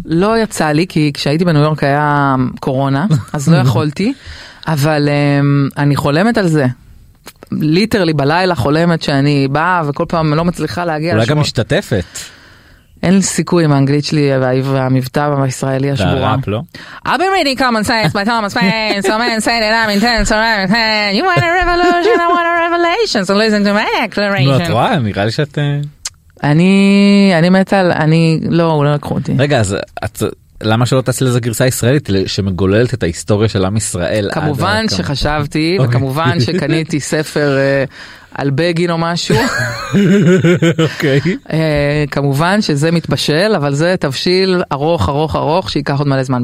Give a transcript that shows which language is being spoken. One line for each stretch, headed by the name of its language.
Hebrew: לא יצא לי, כי כשהייתי בניו יורק היה קורונה, אז לא יכולתי, אבל אני חולמת על זה. ליטרלי בלילה חולמת שאני באה וכל פעם לא מצליחה להגיע אולי לשמור. גם משתתפת אין לי סיכוי עם האנגלית שלי והמבטא והישראלי השבורה. אתה הראפ, לא?
English: I've been reading common sense by Thomas Paine, so man said it, I'm intense, all right, man. You want a revolution, I want a revelation, so listen to my declaration.
Hebrew: נו, את רואה, נראה לי שאת... אני מטל, אני... לא, הוא לא לקחו אותי. רגע, אז למה שלא תעשי לזה גרסה ישראלית שמגוללת את ההיסטוריה של עם ישראל? כמובן שחשבתי, וכמובן שקניתי ספר... על בגין או משהו. אוקיי. כמובן שזה מתבשל, אבל זה תבשיל ארוך, ארוך, ארוך, שיקח עוד מלא זמן.